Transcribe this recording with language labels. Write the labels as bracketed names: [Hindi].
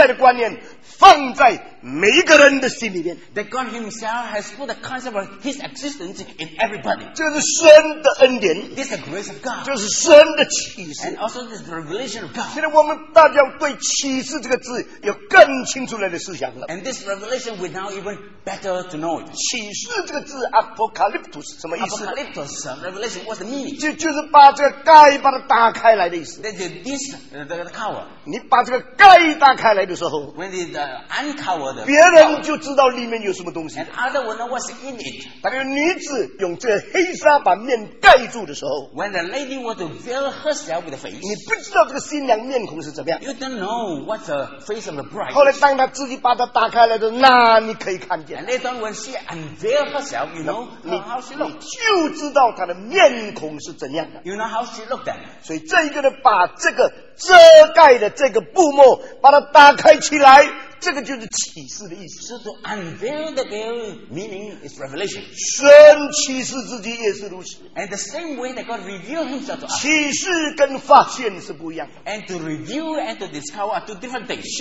[Chinese] 就是神自己把他存在的观念放在每一个人的心里面, [English] that God himself has put the concept of his existence in everybody. [Chinese] 这是神的恩典, [English] this is the grace of God. [Chinese] 这是神的启示, [English] and also this is the revelation of God. [Chinese] 现在我们大家对启示这个字有更清楚的思想了, [English] and this revelation we now even better to know it. [Chinese] 启示这个字 apocalyptus 什么意思? [English] Apocalyptus revelation, what's the meaning? [Chinese] 就是把这个盖把它打开来的意思, [English] this, the cover. [Chinese] 你把这个盖打开来的时候, [English] when the uncover them. [Chinese] 别人就知道里面有什么东西。 [English] And others will know what's in it. [Chinese] 但是女子用这黑纱把面盖住的时候， [English] When the lady was to veil herself with the face, [Chinese] 你不知道这个新娘面孔是怎么样。 [English] You don't know what's the face of the bride. [Chinese] 后来当她自己把它打开来的时候，那你可以看见。 [English] And later on when she unveiled herself, you know how she looked. [Chinese] 你就知道她的面孔是怎样的。 [English] You know how she looked then. [Chinese] 所以这一个人把这个 遮盖的这个布幕，把它打开起来。这个就是启示的意思。 [English] So to unveil the veil meaning is revelation. [Chinese] 神启示自己也是如此。 [English] And the same way that God revealed himself to us. [Chinese] 启示跟发现是不一样的。 [English] And to reveal and to discover are two different things.